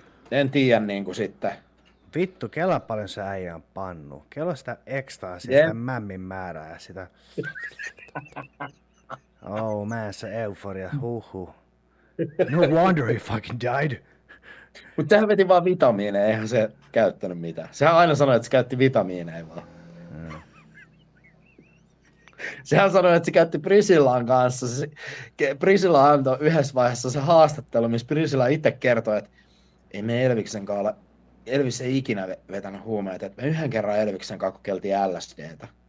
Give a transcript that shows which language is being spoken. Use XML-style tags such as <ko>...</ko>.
<fi>En tiedä niin kuin sitten. Vittu, kela paljon se äijä on pannu. Kela sitä ekstaasia, yeah. Sitä mämmin määrää ja sitä.</fi> <en>Oh man,</en> <fi>se euforia, huhhuh.</fi> <en>No wonder he fucking died.</en> <fi>Mutta sehän veti vaan vitamiineja, eihän se käyttänyt mitään. Sehän aina sanoi, että se käytti vitamiineja vaan. Sehän sanoi, että se käytti Prisillaan kanssa. Prisilla antoi yhdessä vaiheessa se haastattelu, missä Prisilla itse kertoi, että ei me Elviksen kanssa, Elvis ei ikinä vetänyt huumeita, että me yhden kerran Elviksen kanssa kokeiltiin LSD:tä.</fi>